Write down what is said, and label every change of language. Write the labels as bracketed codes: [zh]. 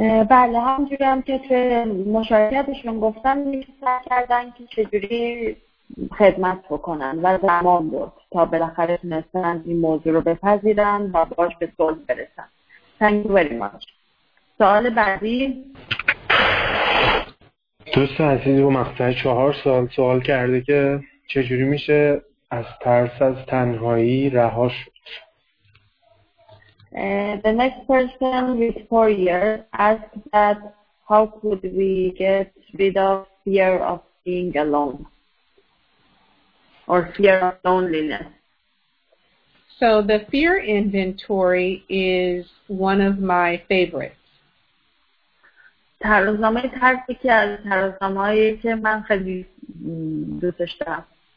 [fa] بله همونجوری هم که توی مشارکتشون گفتم سعی کردن که چجوری خدمت بکنن و زمان بود تا بالاخره تونستن این موضوع رو بپذیرن و باهاش به صلح برسن. [en] Thank you very much. [fa] سوال بعدی دوست عزیز و مقطع 4 سال سوال کرده که چجوری میشه از ترس از تنهایی رها شد؟ [en] The next person with 4 years asked that how could we get rid of fear of being alone or fear of loneliness. So the fear inventory is one of my favorites. [fa] ترازنامه ترسی که از ترازنامه‌هایی که من خیلی دوستش دارم.